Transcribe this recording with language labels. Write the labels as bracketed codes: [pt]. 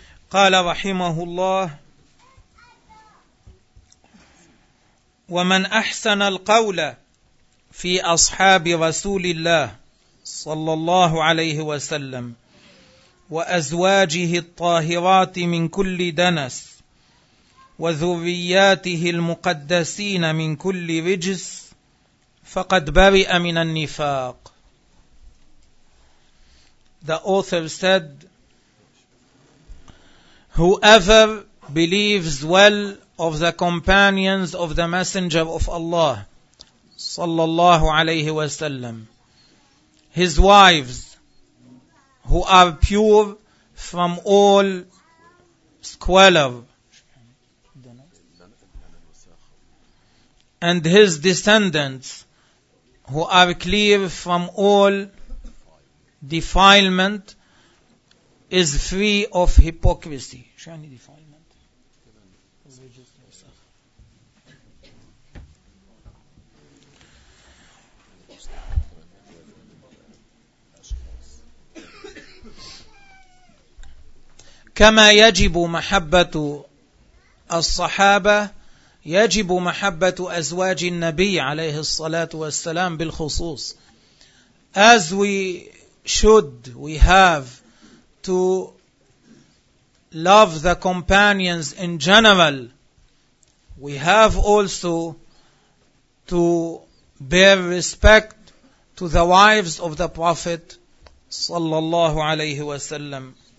[ar] قال رحمه الله ومن أحسن القول في أصحاب رسول الله صلى الله عليه وسلم وأزواجه الطاهرات من كل دنس وذرياته المقدسين من كل رجس فقد برئ من النفاق. [en] The author said, whoever believes well of the companions of the Messenger of Allah صلى الله عليه وسلم, his wives who are pure from all squalor, and his descendants who are clear from all defilement, is free of hypocrisy. Any defilement? [ar] كما يجب محبة الصحابة يجب محبة أزواج النبي عليه الصلاة والسلام بالخصوص. [en] As we have to love the companions in general, we have also to bear respect to the wives of the Prophet صلى الله عليه وسلم.